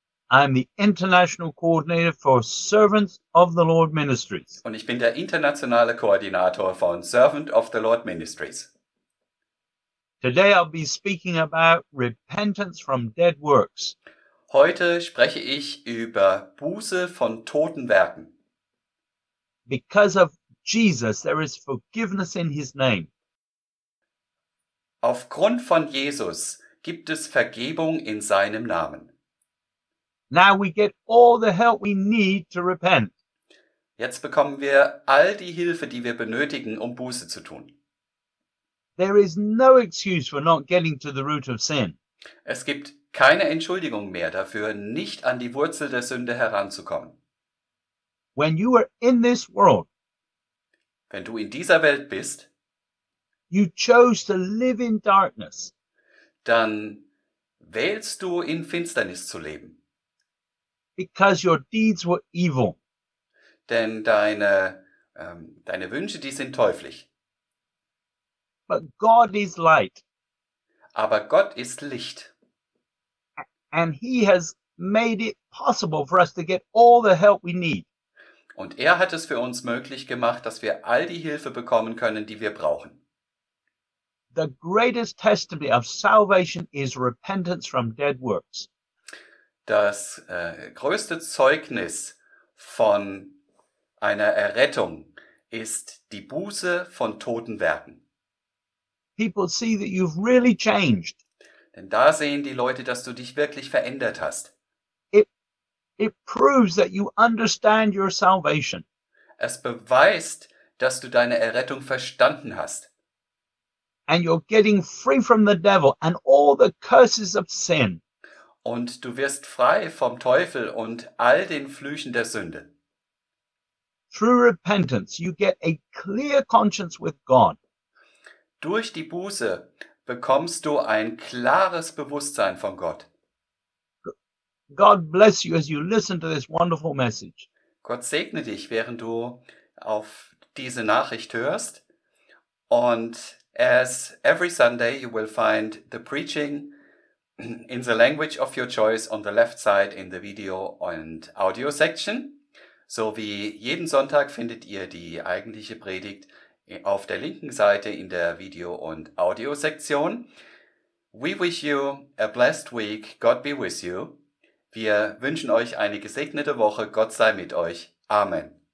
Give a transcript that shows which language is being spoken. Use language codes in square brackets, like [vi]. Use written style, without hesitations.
[en] I'm the International Coordinator for Servants of the Lord Ministries. [de] Und ich bin der internationale Koordinator von Servant of the Lord Ministries. [en] Today I'll be speaking about repentance from dead works. [de] Heute spreche ich über Buße von toten Werken. [en] Because of Jesus, there is forgiveness in his name. [de] Aufgrund von Jesus gibt es Vergebung in seinem Namen. [en] Now we get all the help we need to repent. [de] Jetzt bekommen wir all die Hilfe, die wir benötigen, um Buße zu tun. [en] There is no excuse for not getting to the root of sin. [de] Es gibt keine Entschuldigung mehr dafür, nicht an die Wurzel der Sünde heranzukommen. [en] When you are in this world, [de] wenn du in dieser Welt bist, [en] you chose to live in darkness, [de] dann wählst du in Finsternis zu leben. [en] Because your deeds were evil. [de] Denn deine Wünsche, die sind teuflisch. [en] But God is light. [de] Aber Gott ist Licht. [en] And he has made it possible for us to get all the help we need. [de] Und er hat es für uns möglich gemacht, dass wir all die Hilfe bekommen können, die wir brauchen. [en] The greatest testimony of salvation is repentance from dead works. [de] Das größte Zeugnis von einer Errettung ist die Buße von toten Werken. [en] People see that you've really changed. [de] Denn da sehen die Leute, dass du dich wirklich verändert hast. [en] It proves that you understand your salvation. [de] Es beweist, dass du deine Errettung verstanden hast. [en] And you're getting free from the devil and all the curses of sin. [de] Und du wirst frei vom Teufel und all den Flüchen der Sünde. [en] Through repentance, you get a clear conscience with God. [de] Durch die Buße bekommst du ein klares Bewusstsein von Gott. [en] God bless you as you listen to this wonderful message. [de] Gott segne dich, während du auf diese Nachricht hörst. [en] And as every Sunday you will find the preaching in the language of your choice on the left side in the video and audio section. [de] So wie jeden Sonntag findet ihr die eigentliche Predigt auf der linken Seite in der Video und Audio Sektion. [en] We wish you a blessed week. God be with you. [de] Wir wünschen euch eine gesegnete Woche. Gott sei mit euch. Amen.